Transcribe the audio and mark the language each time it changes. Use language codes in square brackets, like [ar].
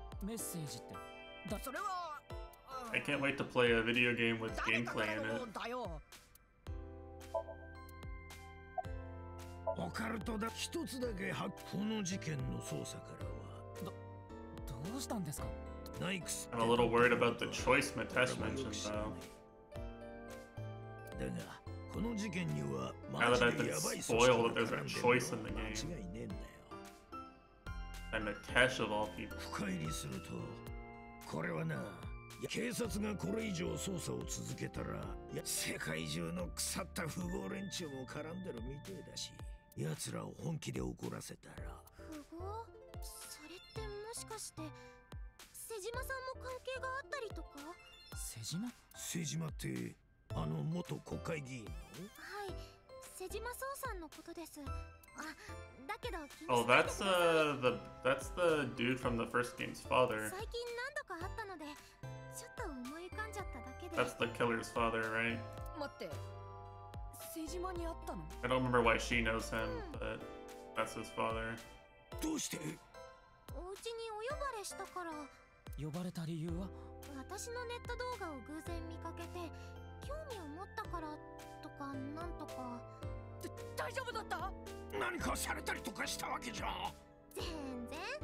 [ja] メッセージって、だそれは。 [en] I can't wait to play a video game with gameplay in it. [ja] だよ。オカルトだ。一つだけ、この事件の捜査からは。どうしたんですか？ナイクス。 [en] I'm a little worried about the choice Mitesh mentioned, though. [ja] だが、この事件には、マジでヤバい組織だからんでるのは間違いねえんだよ。 [en] And Mitesh of all people. [ja] 深入りすると、これはな、警察がこれ以上捜査を続けたら、世界中の腐った富豪連中も絡んでるみてえだし。奴らを本気で怒らせたら。富豪？それってもしかして瀬島さんも関係があったりとか？瀬島？瀬島ってあの元国会議員の？はい、瀬島総さんのことです。あ、だけど。 [en] Oh, that's the dude from the first game's father. [ja] 最近何度か会ったので、ちょっと思い浮かんじゃっただけで。 [en] That's the killer's father, right? [ja] 待って。 [en] I don't remember why she knows him, but that's his father. [ja] どうして？お家にお呼ばれしたから。呼ばれた理由は？私のネット動画を偶然見かけて興味を持ったからとかなんとか。大丈夫だった？何かされたりとかしたわけじゃ。全然。